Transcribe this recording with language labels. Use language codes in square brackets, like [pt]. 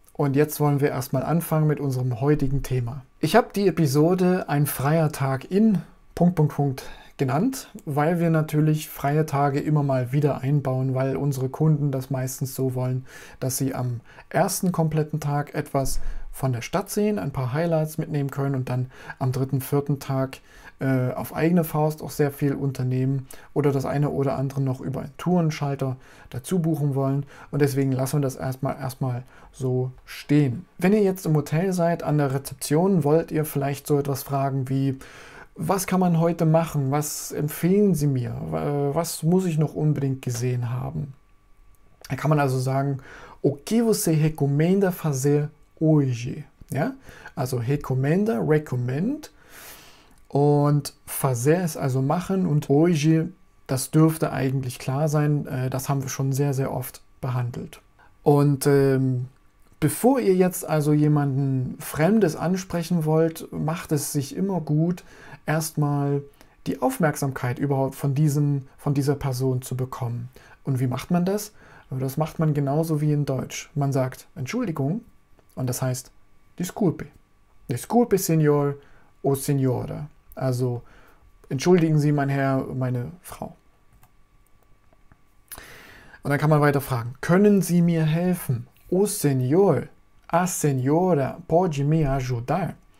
[de] Und jetzt wollen wir erstmal anfangen mit unserem heutigen Thema. Ich habe die Episode Ein freier Tag in genannt, weil wir natürlich freie Tage immer mal wieder einbauen, weil unsere Kunden das meistens so wollen, dass sie am ersten kompletten Tag etwas von der Stadt sehen, ein paar Highlights mitnehmen können und dann am dritten, vierten Tag auf eigene Faust auch sehr viel unternehmen oder das eine oder andere noch über einen Tourenschalter dazu buchen wollen. Und deswegen lassen wir das erstmal so stehen. Wenn ihr jetzt im Hotel seid, an der Rezeption, wollt ihr vielleicht so etwas fragen wie: Was kann man heute machen? Was empfehlen Sie mir? Was muss ich noch unbedingt gesehen haben? Da kann man also sagen: [pt] O que você recomenda fazer hoje? [de] Ja? Also recommend. Und fazer ist also machen und hoje, das dürfte eigentlich klar sein. Das haben wir schon sehr, sehr oft behandelt. Und bevor ihr jetzt also jemanden Fremdes ansprechen wollt, macht es sich immer gut, erstmal die Aufmerksamkeit überhaupt von dieser Person zu bekommen. Und wie macht man das? Das macht man genauso wie in Deutsch. Man sagt Entschuldigung und das heißt Disculpe. [pt] Disculpe, Senor o Senora. [de] Also entschuldigen Sie, mein Herr, meine Frau. Und dann kann man weiter fragen: Können Sie mir helfen? [pt] O Senor, a Senora, pode me ajudar?